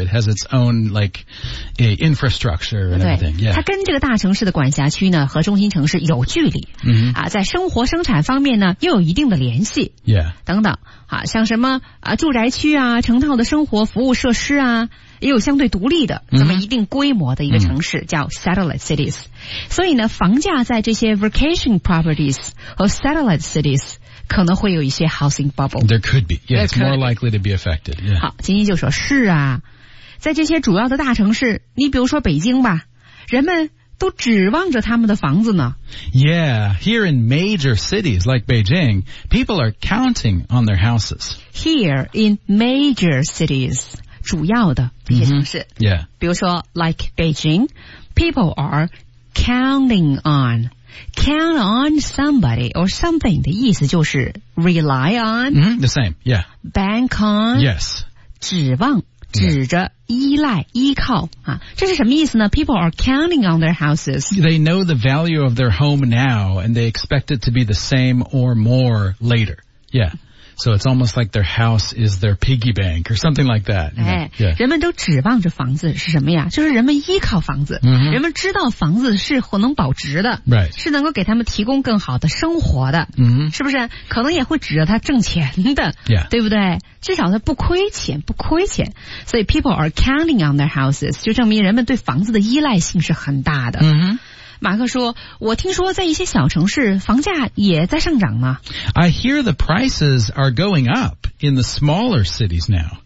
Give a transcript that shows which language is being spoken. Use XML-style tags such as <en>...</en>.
<en>It has its own, like, a infrastructure and everything. Yeah.</en> <zh>它跟这个大城市的管辖区呢和中心城市有距离。 Mm-hmm. 啊在生活生产方面呢又有一定的联系。</zh> <en>Yeah.</en> <zh>等等。啊像什么啊住宅区啊成套的生活服务设施啊。也有相对独立的那么一定规模的一个城市、嗯、叫 satellite cities 所以呢房价在这些 vacation properties 和 satellite cities 可能会有一些 housing bubble</zh> <en>there could be yeah, it's more likely to be affected、yeah.</en> <zh>好金一就说是啊在这些主要的大城市你比如说北京吧人们都指望着他们的房子呢</zh> <en>Yeah, here in major cities like Beijing, people are counting on their houses Here in major cities 主要的一些城市、 mm-hmm. yeah. 比如说 like Beijing people are counting on count on somebody or something 的意思就是 rely on、 mm-hmm. the same yeah. bank on yes</en> <zh>指望指着依赖依靠、啊、这是什么意思呢 people are counting on their houses</zh> <en>they know the value of their home now and they expect it to be the same or more later yeah So it's almost like their house is their piggy bank or something like that. You know? 哎、yeah.</en> <zh>人们都指望着房子是什么呀就是人们依靠房子、 mm-hmm. 人们知道房子是能保值的、</zh> <en>right.</en> <zh>是能够给他们提供更好的生活的、 mm-hmm. 是不是可能也会指着他挣钱的、</zh> <en>yeah.</en> <zh>对不对至少他不亏钱不亏钱。所以 people are counting on their houses, 就证明人们对房子的依赖性是很大的。 Mm-hmm. 马克说我听说在一些小城市房价也在上涨吗</zh> <en>I hear the prices are going up in the smaller cities now.</en>